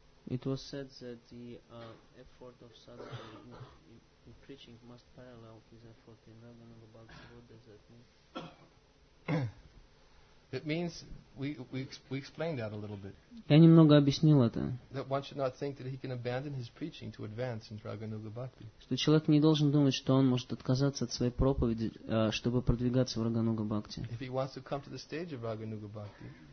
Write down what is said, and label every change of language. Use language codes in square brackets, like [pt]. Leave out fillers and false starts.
[en] It was said that the effort of sadhana in preaching must parallel his effort in Ragana Bhakti. What does that mean? It means we explained that a little bit. [ru] Я немного объяснил это. [en] That one should not think that he can abandon his preaching to advance in Raganuga Bhakti. [ru] Что человек не должен думать, что он может отказаться от своей проповеди, чтобы продвигаться в Рагануга Бхакти. [en] If he wants to come to the stage of Raganuga Bhakti.